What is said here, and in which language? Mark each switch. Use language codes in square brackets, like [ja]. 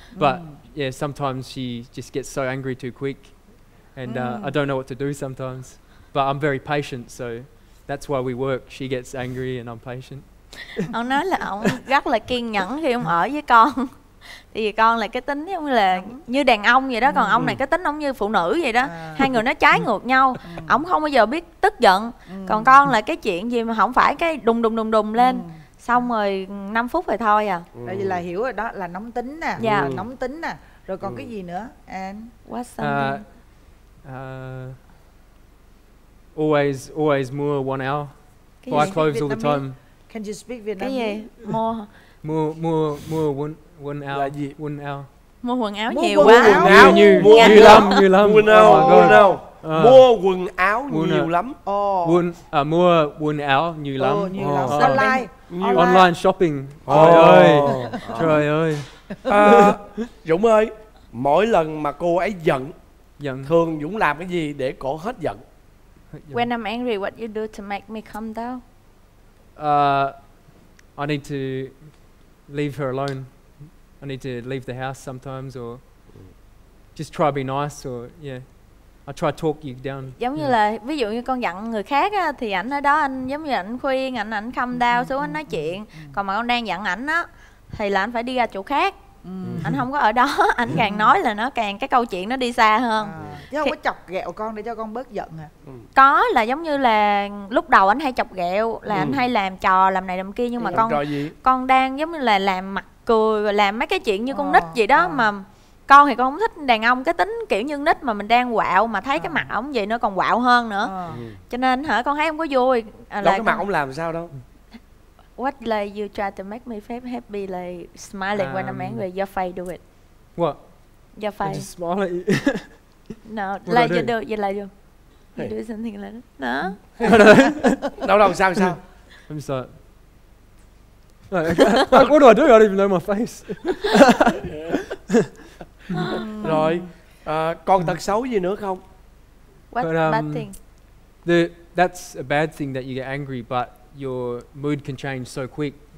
[en] But yeah, sometimes she just gets so angry too quick. And I don't know what to do sometimes. But I'm very patient, so that's why we work. She gets angry and I'm patient. [vi] Ông nói là ông rất là kiên nhẫn khi ông ở với con. Thì con là cái tính giống là như đàn ông vậy đó. Còn ông này cái tính ông như phụ nữ vậy đó. Hai người nó trái ngược nhau. Ông không bao giờ biết tức giận. Còn con là cái chuyện gì mà không phải cái đùng đùng đùng đùng lên. Xong rồi 5 phút rồi thôi à. Tại vì là hiểu rồi đó, là nóng tính nè. Nóng tính nè. Rồi còn cái gì nữa? [en] And what's something? Always more 1 hour. Buy clothes all the time. Can you speak Vietnamese? [vi] Cái gì? [en] More 1 hour. [vi] Là gì? [en] 1 hour. [vi] Mua quần áo nhiều quá. Như lắm. [en] 1 hour. [vi] Mua quần áo nhiều lắm. Mua quần áo nhiều lắm. [en] Online shopping. [vi] Trời ơi. Trời ơi. Dũng ơi, mỗi lần mà cô ấy giận, giận, thường Dũng làm cái gì để cô hết giận? [en] When I'm angry, what you do to make me calm down? I need to leave her alone. I need to leave the house sometimes, or just try to be nice, or I try to talk you down. [vi] Giống như là ví dụ như con giận người khác á, thì ảnh ở đó anh giống như ảnh khuyên, ảnh [en] calm down [vi] xuống, ảnh nói chuyện. Còn mà con đang giận ảnh á, thì là ảnh phải đi ra chỗ khác. Anh không có ở đó, anh càng nói là nó càng cái câu chuyện nó đi xa hơn. Chứ không có chọc ghẹo con để cho con bớt giận à? Có, là giống như là lúc đầu anh hay chọc ghẹo, là anh hay làm trò làm này làm kia, nhưng mà con đang giống như là làm mặt cười, làm mấy cái chuyện như con nít vậy đó. Mà con thì con không thích đàn ông cái tính kiểu như nít, mà mình đang quạo mà thấy cái mặt ổng vậy nó còn quạo hơn nữa. Cho nên hả, con thấy không có vui. Cái mặt ổng làm sao đâu. [en] What like you try to make me happy, like smiling when I'm angry, your face do it. What? Your face. I just smile at you. No, what like do you do, you like you. Hey. You do something like that. No. No, [vi] sao? [en] I'm just like, what do? I don't even know my face. [vi] Rồi, còn tật xấu gì nữa không? [en] What bad thing? That's a bad thing that you get angry, but your mood can change so quick.